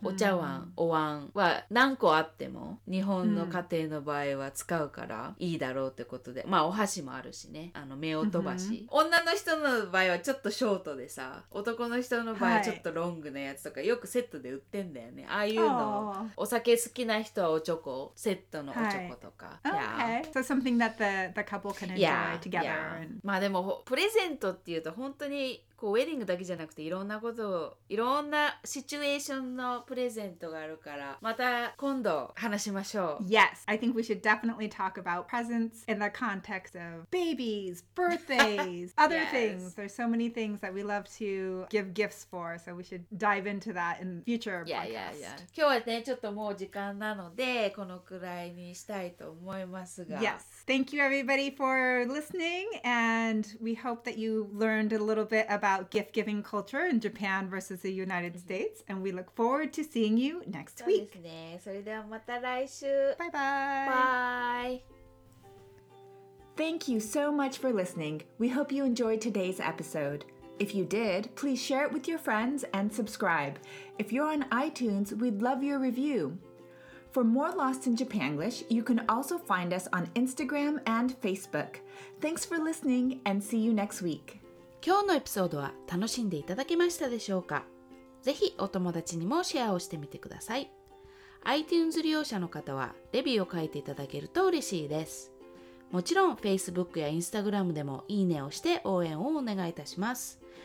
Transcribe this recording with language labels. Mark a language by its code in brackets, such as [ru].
[ja] お茶碗、お椀は何個あっても、日本の家庭の場合は使うからいいだろうってことで。まあ、お箸もあるしね。あの、目を飛ばし。女の人の場合はちょっとショートでさ、男の人の場合はちょっとロングなやつとか、よくセットで売ってんだよね。ああいうの。お酒好きな人はおチョコ、セットのおチョコとか。 [en] Oh, okay. Yeah. So something that the couple can enjoy together. Yeah. Yeah. [ja] まあでも、プレゼントっていうと本当に、こうウェディングだけじゃなくていろんなことをいろんなシチュエーションのプレゼントがあるからまた今度話しましょう。 [en] Yes, I think we should definitely talk about presents in the context of babies, birthdays, other yes. things. There's so many things that we love to give gifts for, so we should dive into that in future podcasts. Yeah, yeah, yeah. [ja] 今日はねちょっともう時間なのでこのくらいにしたいと思いますが。 [en] Yes, thank you everybody for listening and we hope that you learned a little bit about gift-giving culture in Japan versus the United States. And we look forward to seeing you next week. [ja] そうですね。それではまた来週。バイバイ。バイ。 [en] Thank you so much for listening. We hope you enjoyed today's episode. If you did, please share it with your friends and subscribe. If you're on iTunes, we'd love your review. For more Lost in Japanglish, you can also find us on Instagram and Facebook. Thanks for listening and see you next week. [ja] 今日のエピソードは楽しんでいただけましたでしょうか。ぜひお友達にもシェアをしてみてください。 iTunes 利用者の方はレビューを書いていただけると嬉しいです。もちろん Facebook や Instagram でもいいねをして応援をお願いいたします。